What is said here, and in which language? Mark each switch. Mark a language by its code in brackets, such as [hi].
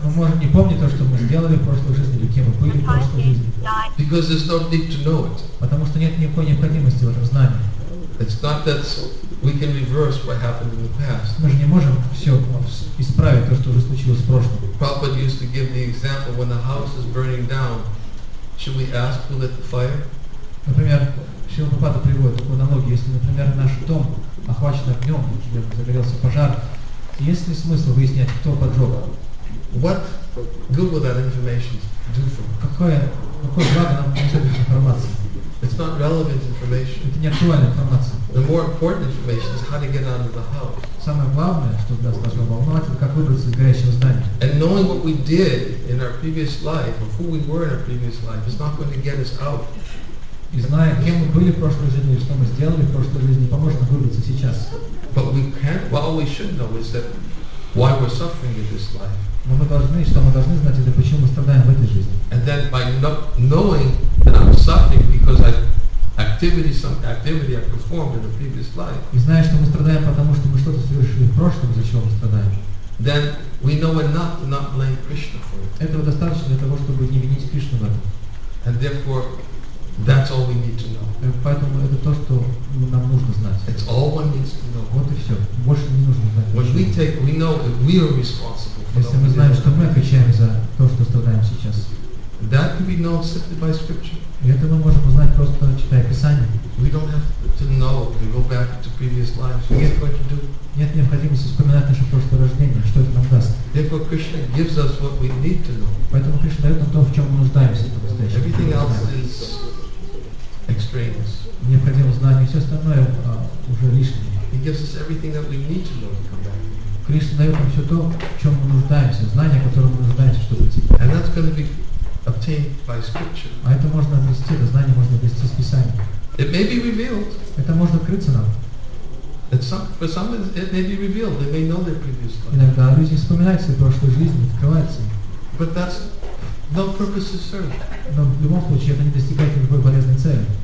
[ru] Мы можем не помнить то, что мы сделали в прошлой жизни, или кем мы были в прошлой жизни. [en] Because there's no need to know it. [ru] Потому что нет никакой необходимости в этом знании. [en] It's not that we can reverse what happened in the past. [ru] Мы же не можем все исправить то, что уже случилось в прошлом. [en] Prabhupada used to give the example when the house is burning down, should we ask who lit the fire? [ru] Например, Шрила Прабхупада приводит такую аналогию, если, например, наш дом охвачен огнем, где загорелся пожар, есть ли смысл выяснять, кто поджег? [en] What good will that information do for? [ru] Какое благо нам принесет эта информация? [en] It's not relevant information. [ru] Это не актуальная информация. [en] The more important information is how to get out of the house. [ru] Самое главное, что нас должно волновать, это как выбраться из горящего здания. [en] And knowing what we did in our previous life, or who we were in our previous life, is not going to get us out. [ru] И зная, кем мы были в прошлой жизни, и что мы сделали в прошлой жизни, не поможет нам выбраться сейчас. [en] But we can, well, we should know is that why we're suffering in this life. [ru] Но мы должны, что мы должны знать, это почему мы страдаем в этой жизни. [en] And then by knowing that I'm suffering because I some activity I performed in a previous life. [ru] И зная, что мы страдаем, потому что мы что-то совершили в прошлом, за чего мы страдаем. [en] Then we know enough to not blame Krishna for it. [ru] Этого достаточно для того, чтобы не винить Кришну в этом. [en] And therefore, that's all we need to know. [ru] Поэтому это то, что нам нужно знать. [en] It's all one needs to know. [ru] Вот и все. Больше не нужно знать. [en] When we take, we know that we are responsible for. [ru] Если мы знаем, что мы отвечаем за то, что страдаем сейчас. [en] That can be known simply by scripture. [ru] И это мы можем узнать просто читая Писание. [en] We don't have to know to go back to previous lives. What are we going to do? [ru] Нет необходимости вспоминать наше прошлое рождение, что это нам даст. [en] Therefore, Krishna gives us what we need to know. [ru] Поэтому Кришна дает нам то, в чем мы нуждаемся. [en] Everything else is extraneous. [ru] Необходимо знание, все остальное уже лишнее. [en] He gives us everything that we need to know to come back. [ru] Кришна дает нам все то, в чем мы нуждаемся, знание, которое мы нуждаемся, чтобы прийти. [en] And that's going to be obtained by scripture. [ru] А это можно обрести, это знание можно обрести из Писания. [en] It may be revealed. [ru] Это можно открыться нам. [en] For some, it may be revealed. They may know their previous life. [ru] Иногда люди вспоминают свою прошлую жизнь, открываются. [en] But that's no purpose is served. [ru] Но в любом случае это не достигает никакой полезной цели.